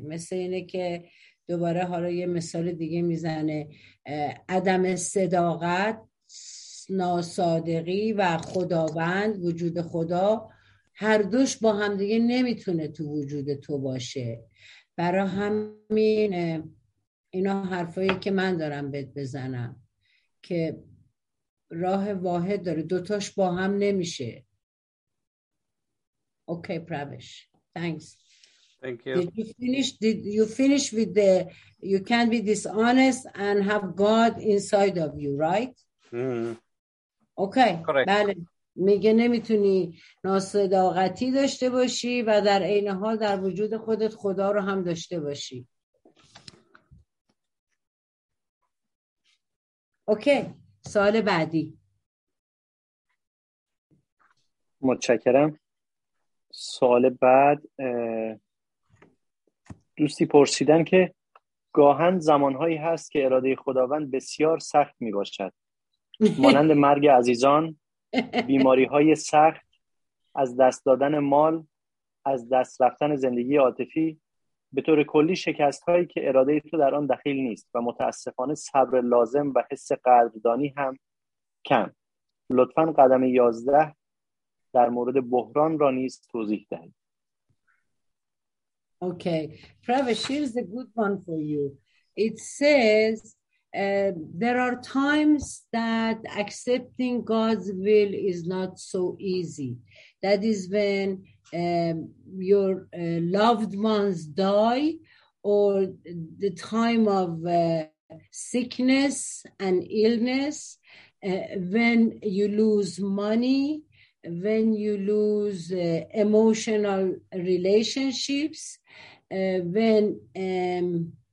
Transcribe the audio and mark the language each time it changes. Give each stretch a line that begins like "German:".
Persian: مثل اینه که دوباره حالا یه مثال دیگه میزنه، عدم صداقت، ناصادقی و خداوند، وجود خدا، هر دوش با همدیگه نمیتونه تو وجود تو باشه. برای همین اینا حرفایی که من دارم بهت بزنم که راه واحد داره، دوتاش با هم نمیشه.
English: Okay پرویش، thanks. Thank you. Did you finish with the you can't be dishonest and have God inside of you, right? Mm-hmm. Okay. Correct.
Persian: بله. میگه نمیتونی ناصداقتی داشته باشی و در عین حال در وجود خودت خدا رو هم داشته باشی. Okay. سوال بعدی. متشکرم. سوال بعد دوستی پرسیدن که گاهن زمانهایی هست که اراده خداوند بسیار سخت می باشد. مانند مرگ عزیزان، بیماری های سخت، از دست دادن مال، از دست رفتن زندگی عاطفی، به طور کلی شکست هایی که اراده تو در آن دخیل نیست و متاسفانه صبر لازم و حس قدردانی هم کم. لطفاً قدم 11 در مورد بحران را نیز توضیح دهید.
English: Okay, Pravesh, here's a good one for you. It says there are times that accepting God's will is not so easy. That is when your loved ones die or the time of sickness and illness, when you lose money, when you lose emotional relationships, when